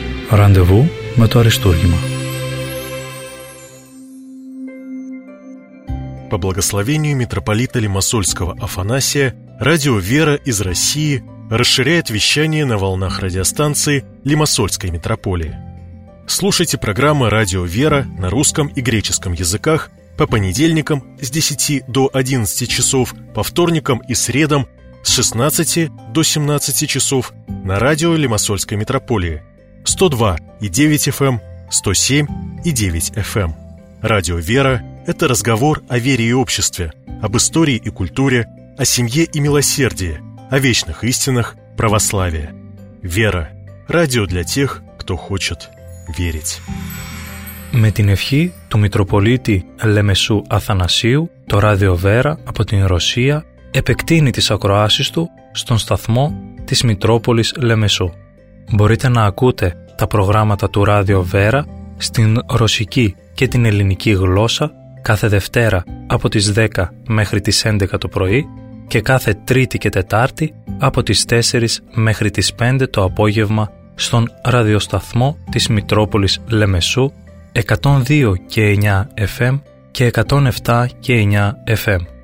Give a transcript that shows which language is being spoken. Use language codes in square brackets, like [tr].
[el] Ραντεβού με το Αριστούργημα. [ru] По благословению митрополита Лимассольского Афанасия, радио «Вера» из России расширяет вещание на волнах радиостанции Лимассольской митрополии. Слушайте программы «Радио «Вера» на русском и греческом языках по понедельникам с 10 до 11 часов, по вторникам и средам с 16 до 17 часов на радио Лимассольской митрополии 102,9 FM, 107,9 FM. Радио «Вера» – это разговор о вере и обществе, об истории и культуре, о семье и милосердии, о вечных истинах православия. «Вера» – радио для тех, кто хочет верить. [el] Με την ευχή του Μητροπολίτη Λεμεσού Αθανασίου, το Ράδιο Βέρα από την Ρωσία επεκτείνει τις ακροάσεις του στον σταθμό της Μητρόπολης Λεμεσού. Μπορείτε να ακούτε τα προγράμματα του Ράδιο Βέρα στην ρωσική και την ελληνική γλώσσα κάθε Δευτέρα από τις 10 μέχρι τις 11 το πρωί και κάθε Τρίτη και Τετάρτη από τις 4 μέχρι τις 5 το απόγευμα στον ραδιοσταθμό της Μητρόπολης Λεμεσού 102 και 9 FM και 107 και 9 FM.